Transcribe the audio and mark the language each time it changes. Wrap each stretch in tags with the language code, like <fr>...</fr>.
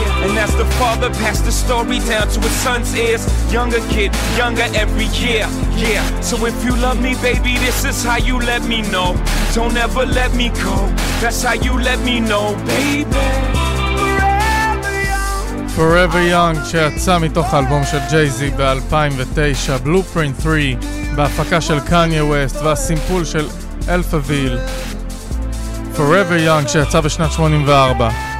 <en>And as the father passed the story down to his son's ears, younger kid, younger every year, yeah. So if you love me, baby, this is how you let me know. Don't ever let me go, that's how you let me know, baby.</en> <he>Forever Young, שיצא מתוך האלבום של ג'ייזי ב-2009, Blueprint 3, בהפקה של קניה ווסט, והסימפול של אלפאביל. Forever Young, שיצא בשנת 84.</he>